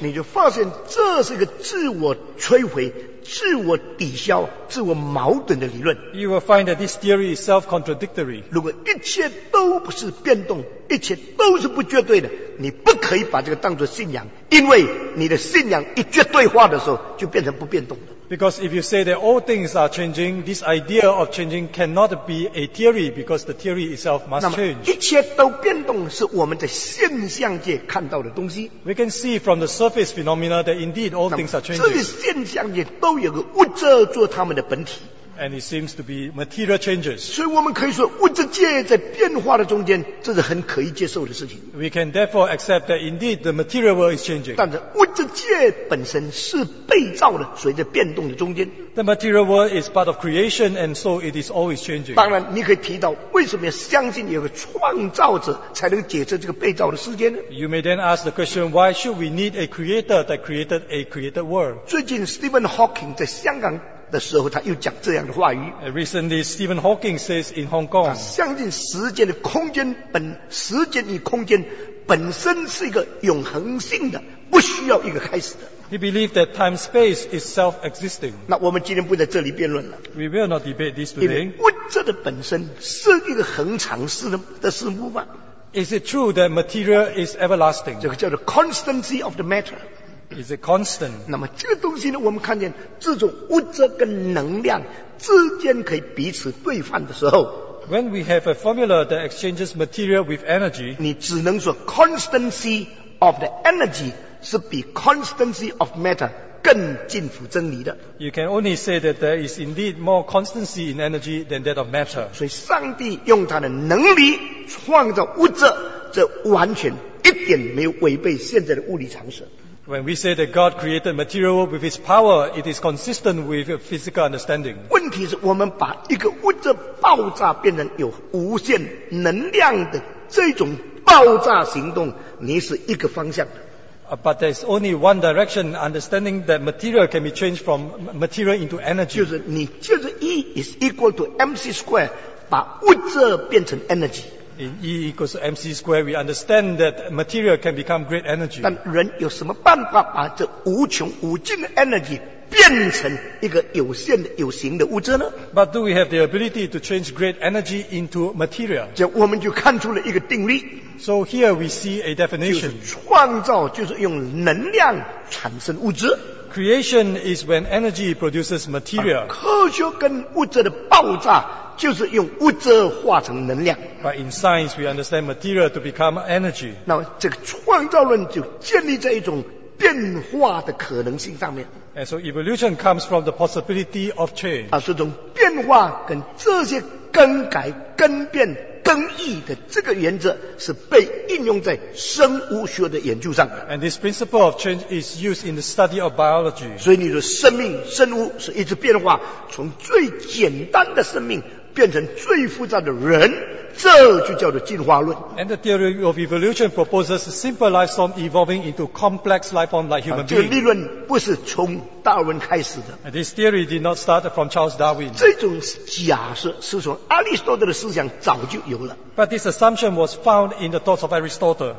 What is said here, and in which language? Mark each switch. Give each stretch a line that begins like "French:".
Chinese: 你就发现这是一个自我摧毁、自我抵消、自我矛盾的理论。
English: You will find that this theory is self-contradictory.
Chinese: 如果一切都不是变动，一切都是不绝对的，你不可以把这个当作信仰，因为你的信仰一绝对化的时候，就变成不变动了。
English: Because if you say that all things are changing, this idea of changing cannot be a theory because the theory itself must change.
Chinese: 一切都变动是我们在现象界看到的东西。
English: We can see from the surface phenomena that indeed all things are changing.
Chinese: 这些现象界都有个物质做他们的本体。
English: And it seems to be material changes.
Chinese: 所以我们可以说物质界在变化的中间，这是很可以接受的事情。
English: We can therefore accept that indeed the material world is changing.
Chinese: 但是物质界本身是被造的，随着变动的中间。
English: The material world is part of creation, and so it is always changing.
Chinese: 当然，你可以提到为什么要相信有个创造者才能解释这个被造的世界呢
English: ？You may then ask the question, why should we need a creator that created a created world?
Chinese: 最近 Stephen Hawking 在香港。的时候，他又讲这样的话语。
English: Recently, Stephen Hawking says in Hong Kong,
Chinese: 他相信时间的空间本，时间与空间本身是一个永恒性的，不需要一个开始的。
English: He believed that time space is self-existing.
Chinese: 那我们今天不在这里辩论了。
English: We will not debate this today.
Chinese: 因为物质的本身是一个恒常事的事物吗
English: ？Is it true that material is everlasting? 这个叫做 constancy of the matter. Is it constant?
Chinese: 那么这个东西呢，我们看见这种物质跟能量之间可以彼此兑换的时候
English: ，When we have a formula that exchanges material with energy，
Chinese: 你只能说
English: constancy of the energy
Chinese: 是比
English: constancy of matter
Chinese: 更近乎真理的。
English: You can only say that there is indeed more constancy in energy than that of matter。
Chinese: 所以上帝用他的能力创造物质，这完全一点没有违背现在的物理常识。
English: When we say that God created material with His power, it is consistent with physical understanding.
Chinese: 问题是我们把一个物质爆炸变成有无限能量的这种爆炸行动，你是一个方向的。
English: But there's only one direction understanding that material can be changed from material into energy.
Chinese: 就是你就是
English: E is equal to MC square，
Chinese: 把物质变成 energy。
English: In E equals MC square, we understand that material can become great energy.
Chinese: 但人有什么办法把这无穷无尽的 energy 变成一个有限的有形的物质呢？
English: But do we have the ability to change great energy into material?
Chinese: 这我们就看出了一个定律。
English: So here we see a definition.
Chinese: 就是创造就是用能量产生物质。
English: Creation is when energy produces material.
Chinese: 科学跟物质的爆炸就是用物质化成能量。
English: But in science, we understand material to become energy.
Chinese: 那这个创造论就建立在一种变化的可能性上面。
English: And so evolution comes from the possibility of change.
Chinese: 啊，这种变化跟这些更改、更变、更易的这个原则是被应用在生物学的研究上的。
English: And this principle of change is used in the study of biology.
Chinese: 所以你说生命、生物是一直变化，从最简单的生命变成最复杂的人，这就叫做进化论。
English: And the theory of evolution proposes a simple life form evolving into complex life form like human beings.
Chinese: 这个理论不是从达尔文开始的。
English: And this theory did not start from Charles Darwin.
Chinese: 这种假设是从阿里斯多德的思想早就有了。
English: But this assumption was found in the thoughts of Aristotle.